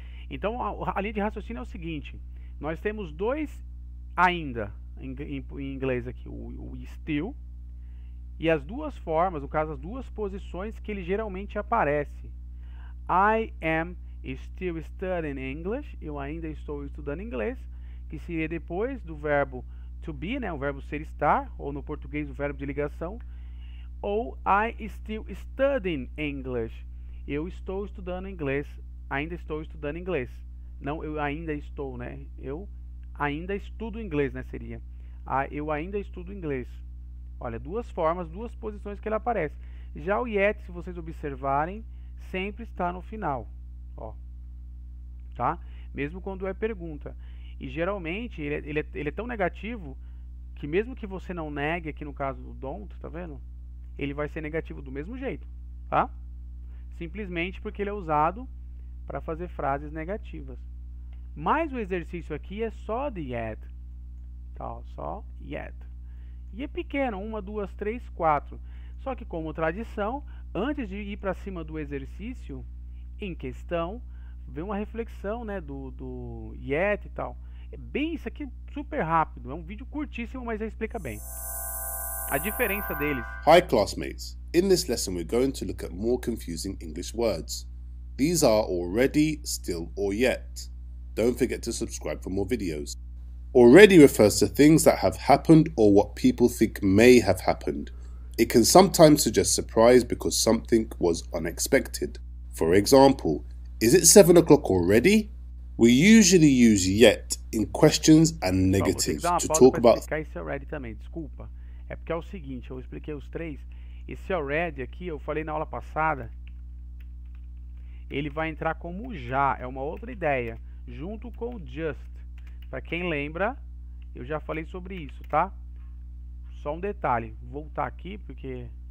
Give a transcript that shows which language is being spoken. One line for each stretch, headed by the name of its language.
Portuguese: Então, a linha de raciocínio é o seguinte: nós temos dois ainda em inglês aqui, o still, e as duas formas, no caso, as duas posições que ele geralmente aparece.
English: I am still studying English,
Portuguese: eu ainda estou estudando inglês, que seria depois do verbo to be, né, o verbo ser estar, ou no português o verbo de ligação.
English: Ou I still studying English.
Portuguese: Eu estou estudando inglês. Ainda estou estudando inglês. Não, eu ainda estou, né? Eu ainda estudo inglês, né? Seria. Ah, eu ainda estudo inglês. Olha, duas formas, duas posições que ele aparece. Já o yet, se vocês observarem, sempre está no final. Ó. Tá? Mesmo quando é pergunta. E geralmente, ele é tão negativo, que mesmo que você não negue, aqui no caso do don't, tá vendo? Ele vai ser negativo do mesmo jeito. Tá? Simplesmente porque ele é usado para fazer frases negativas. Mas o exercício aqui é só de yet. Tá, só yet. E é pequeno, 1, 2, 3, 4. Só que como tradição, antes de ir para cima do exercício em questão, vem uma reflexão, né, do yet e tal. É bem isso aqui, super rápido. É um vídeo curtíssimo, mas já explica bem a diferença deles.
English: Hi, classmates. In this lesson, we're going to look at more confusing English words. These are already, still, or yet. Don't forget to subscribe for more videos. Already refers to things that have happened or what people think may have happened. It can sometimes suggest surprise because something was unexpected. For example, is it 7 o'clock already? We usually use yet in questions and negatives to talk about...
Portuguese: Vou explicar esse already também, desculpa. É porque é o seguinte, eu expliquei os três. Esse already aqui, eu falei na aula passada, ele vai entrar como já, é uma outra ideia, junto com o just. Para quem lembra, eu já falei sobre isso, tá? Só um detalhe, vou voltar aqui porque...